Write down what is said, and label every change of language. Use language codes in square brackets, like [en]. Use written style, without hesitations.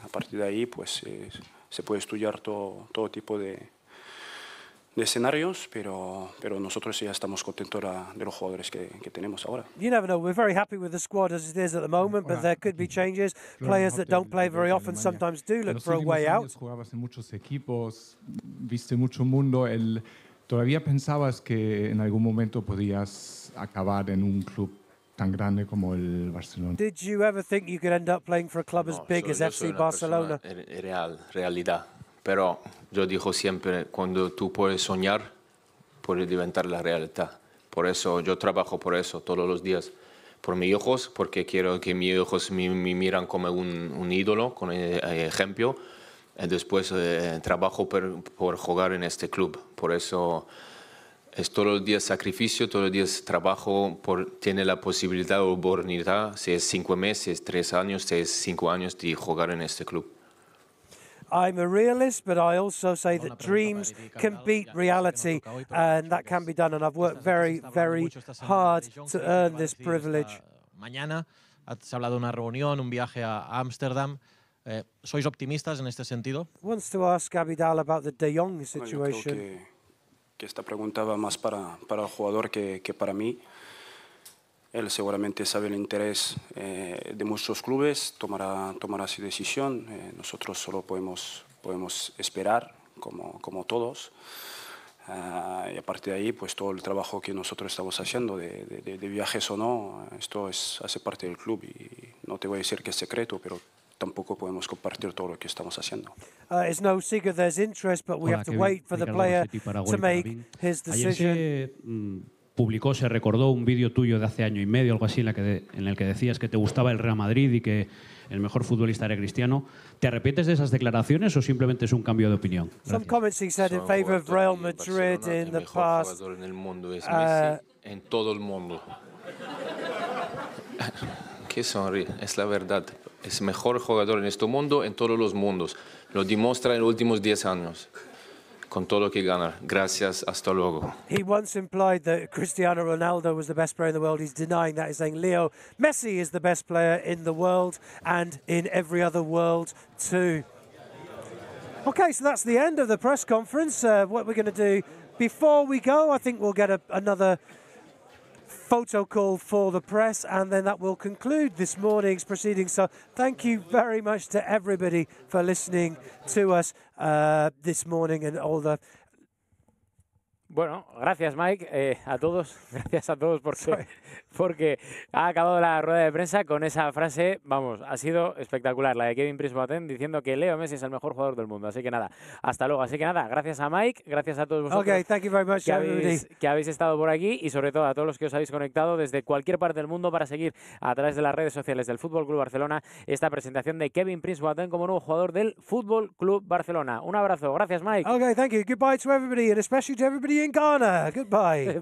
[es] A partir de ahí, pues se puede estudiar todo tipo de escenarios, pero nosotros ya estamos contentos de los jugadores que tenemos ahora. [en] You never know. We're very happy with the squad as it is at the moment, but there could be changes. Players that don't play very often sometimes do look for a way out. [es] Jugabas en muchos equipos, viste mucho mundo. ¿Todavía pensabas que en algún momento podías acabar en un club tan grande como el Barcelona? [en] Did you ever think you could end up playing for a club as big as FC Barcelona? [es] Realidad. Pero yo digo siempre, cuando tú puedes soñar, puedes inventar la realidad. Por eso yo trabajo por eso todos los días. Por mis hijos, porque quiero que mis hijos me miran como un ídolo, con ejemplo. Y después trabajo por jugar en este club. Por eso es todos los días sacrificio, todos los días trabajo, tiene la posibilidad o oportunidad, si es 5 meses, 3 años, si es 5 años, de jugar en este club. [en] I'm a realist, but I also say that dreams can beat reality, and that can be done, and I've worked very, very hard to earn this privilege. [es] Mañana has hablado de una reunión, un viaje a Ámsterdam. ¿Sois optimistas en este sentido? [en] Wants to ask Abidal about the De Jong situation. [es] Que esta pregunta va más para el jugador que para mí. Él seguramente sabe el interés de muchos clubes, tomará su decisión. Nosotros solo podemos esperar, como todos. Y a partir de ahí, pues todo el trabajo que nosotros estamos haciendo, de viajes o no, esto hace parte del club. Y no te voy a decir que es secreto, pero tampoco podemos compartir todo lo que estamos haciendo. [en] It's no secret there's interest, but we have to wait for the player to make his decision. [es] Publicó, se recordó un vídeo tuyo de hace año y medio, algo así, en el que decías que te gustaba el Real Madrid y que el mejor futbolista era Cristiano. ¿Te arrepientes de esas declaraciones o simplemente es un cambio de opinión? Gracias. [en] Some comments he said in favor of Real Madrid in the past. [es] El mejor jugador en el mundo es Messi, en todo el mundo. Qué sonríe, es la verdad. Es el mejor jugador en este mundo, en todos los mundos. Lo demuestra en los últimos 10 años. Con todo lo que gana. Gracias, hasta luego. [en] He once implied that Cristiano Ronaldo was the best player in the world. He's denying that. He's saying Leo Messi is the best player in the world and in every other world too. Okay, so that's the end of the press conference. What we're going to do before we go, I think we'll get another photo call for the press, and then that will conclude this morning's proceedings. So thank you very much to everybody for listening to us. this morning and all the... [es] Bueno, gracias Mike, a todos, gracias a todos por ser, porque ha acabado la rueda de prensa con esa frase, vamos, ha sido espectacular, la de Kevin Prince-Boateng diciendo que Leo Messi es el mejor jugador del mundo, así que nada, hasta luego, así que nada, gracias a Mike, gracias a todos vosotros [en] okay, thank you very much, [es] que habéis estado por aquí y sobre todo a todos los que os habéis conectado desde cualquier parte del mundo para seguir a través de las redes sociales del FC Barcelona esta presentación de Kevin Prince-Boateng como nuevo jugador del FC Barcelona. Un abrazo, gracias Mike. [en] Okay, thank you, goodbye to everybody and especially to everybody in Ghana. Goodbye.